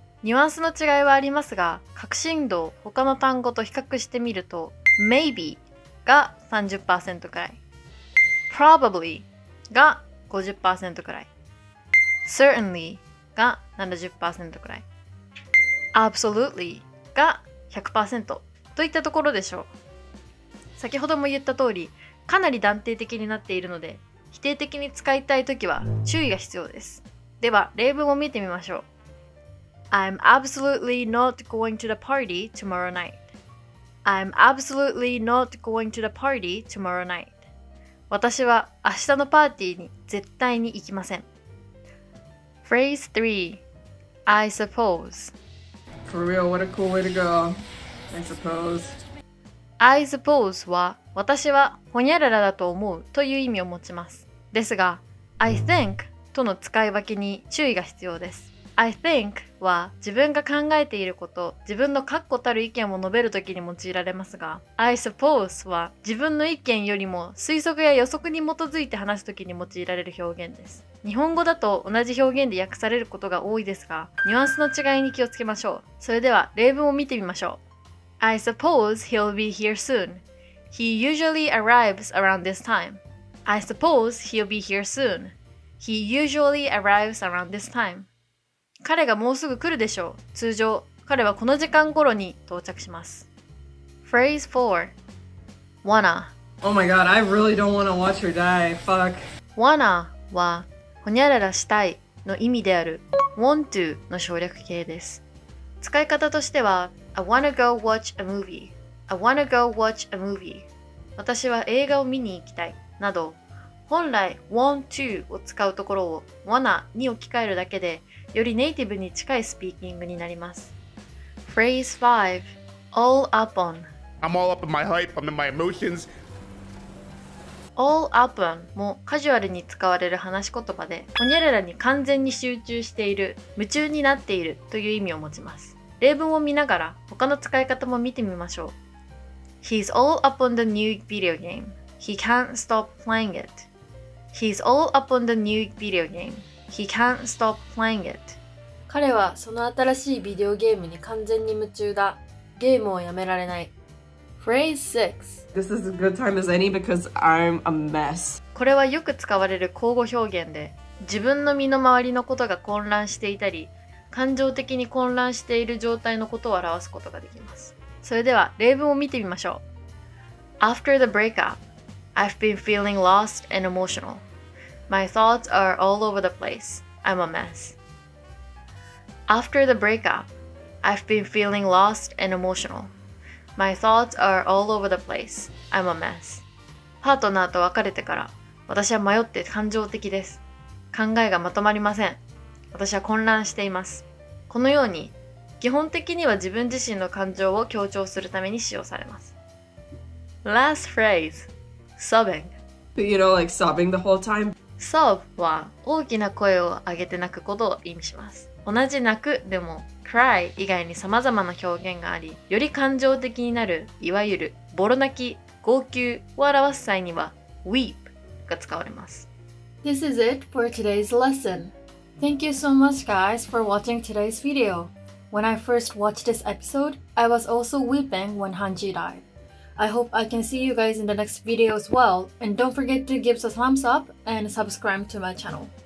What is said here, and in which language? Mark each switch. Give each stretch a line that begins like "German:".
Japanese: ニュアンスの違いはありますが、確信度を他の単語と比較してみると maybeが 30% くらい、 probably が 50% くらい、 certainly が 70% くらい、 absolutely が 100% といったところでしょう。先ほども言った通り、かなり断定的になっているので否定的に使いたいときは注意が必要です。では例文を見てみましょう。
English: I'm absolutely not going to the party tomorrow nightI'm absolutely not going to the party tomorrow night.
Japanese: 私は明日のパーティーに絶対に行きません。
English: Phrase 3. I suppose. For real, what a cool way to go. I suppose.
Japanese: I suppose は私はほにゃららだと思うという意味を持ちます。ですが、I think との使い分けに注意が必要です。 I think は自分が考えていること、自分の確固たる意見を述べるときに用いられますが、I suppose は自分の意見よりも推測や予測に基づいて話すときに用いられる表現です。日本語だと同じ表現で訳されることが多いですが、ニュアンスの違いに気をつけましょう。それでは例文を見てみましょう。
English: I suppose he'll be here soon. He usually arrives around this time. I suppose he'll be here soon. He usually arrives around this time.
Japanese: 彼がもうすぐ来るでしょう。通常、彼はこの時間頃に到着します。
English: Phrase 4. Wanna. Oh my god, I really don't wanna watch her die. Fuck.
Japanese: Wanna は、ほにゃららしたいの意味である want to の省略形です。使い方としては、
English: I wanna go watch a movie. I wanna go watch a movie.
Japanese: 私は映画を見に行きたい。など、本来 want to を使うところを wanna に置き換えるだけで、よりネイティブに近いスピーキングになります。
English: Phrase 5. All up on. I'm all up in my hype, I'm in my emotions.
Japanese: All up on もカジュアルに使われる話し言葉で、ほにゃららに完全に集中している、夢中になっているという意味を持ちます。例文を見ながら、他の使い方も見てみましょう。
English: He's all up on the new video game. He can't stop playing it. He's all up on the new video game. He can't stop playing it.
Japanese: 彼はその新しいビデオゲームに完全に夢中だ。ゲームをやめられない。
English: Phrase 6. This is a good time as any because I'm a mess.
Japanese: これはよく使われる口語表現で、自分の身の回りのことが混乱していたり、感情的に混乱している状態のことを表すことができます。それでは例文を見てみましょう。
English: After the breakup, I've been feeling lost and emotional. My thoughts are all over the place. I'm a mess. After the breakup, I've been feeling lost and emotional. My thoughts are all over the place. I'm a mess.
Japanese: パートナーと別れてから、私は迷って感情的です。考えがまとまりません。私は混乱しています。このように、基本的には自分自身の感情を強調するために使用されます。 Last phrase. Sobbing. You know, like sobbing the whole time. Sob は大きな声を上げて泣くことを意味します。同じ泣くでも cry 以外に様々な表現があり、より感情的になる、いわゆるボロ泣き、号泣を表す際には weep が使われます。
English: This is it for today's lesson. Thank you so much guys for watching today's video. When I first watched this episode, I was also weeping when Hanji died. I hope I can see you guys in the next video as well, and don't forget to give us a thumbs up and subscribe to my channel.